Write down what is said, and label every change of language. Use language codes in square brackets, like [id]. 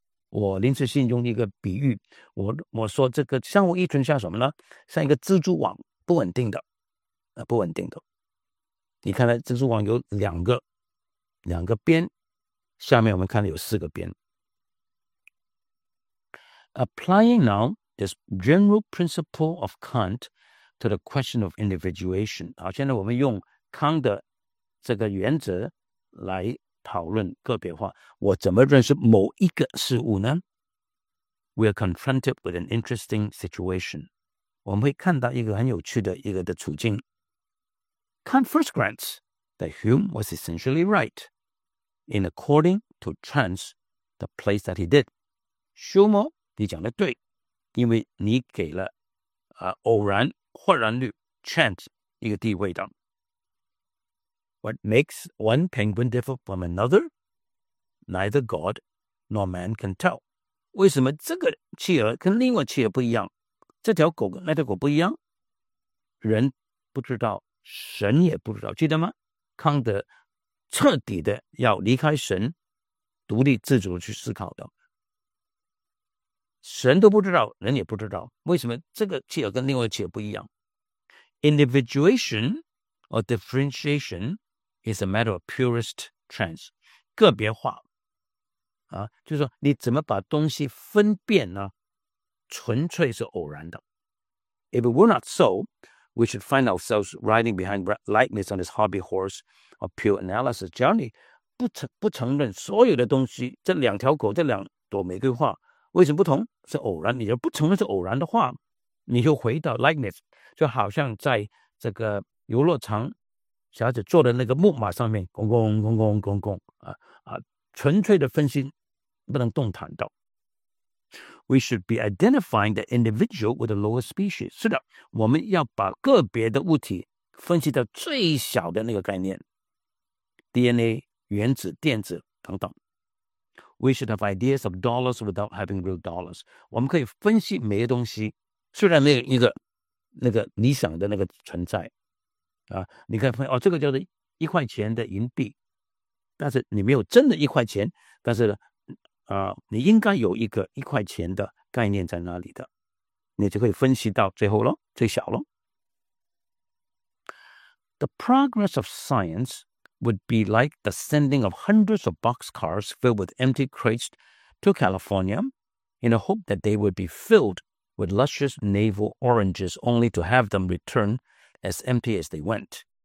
[zh] 我临时性用一个比喻，我说这个相互依存像什么呢？像一个蜘蛛网，不稳定的，不稳定的。你看到蜘蛛网有两个边，下面我们看到有四个边。 [en] Applying now this general principle of Kant to the question of individuation. [zh] 好，现在我们用康的这个原则来讨论个别化，我怎么认识某一个事物呢？ [en] We are confronted with an interesting situation. [zh] 我们会看到一个很有趣的一个的处境。 [en] Kant first grants that Hume was essentially right in according to trans the place that he did. [zh] 休谟，你讲的对，因为你给了偶然豁然率 trans 一个地位的。 [en] What makes one penguin differ from another? Neither God nor man can tell. [zh] 为什么这个企鹅跟另外企鹅不一样？这条狗跟那条狗不一样？人不知道，神也不知道，记得吗？康德彻底的要离开神，独立自主的去思考的。神都不知道，人也不知道，为什么这个企鹅跟另外企鹅不一样？ [en] Individuation or differentiation is a matter of purest trans. [zh] 个别化、啊、就是说你怎么把东西分辨呢？纯粹是偶然的。 [en] If it were not so, we should find ourselves riding behind lightness on this hobby horse of pure analysis. [zh] 只要你不承认所有的东西，这两条狗，这两朵玫瑰花为什么不同？是偶然。你要不承认是偶然的话，你就回到 likeness， 就好像在这个游乐场小姐坐的那个木马上面，公公公公公公啊啊，纯粹的分心，不能动弹的。 [en] We should be identifying the individual with the lower species. [zh] 是的，我们要把个别的物体分析到最小的那个概念 ，DNA、原子、电子等等。 [en] We should have ideas of dollars without having real dollars. [zh] 我们可以分析每个东西，虽然没有一个那个理想的那个存在。啊、你看、哦、这个叫做一块钱的银币，但是你没有真的一块钱，但是、你应该有一个一块钱的概念在那里的，你就可以分析到最后咯，最小咯。 [en] The progress of science would be like the sending of hundreds of boxcars filled with empty crates to California in the hope that they would be filled with luscious navel oranges only to have them returnAs empty as they went.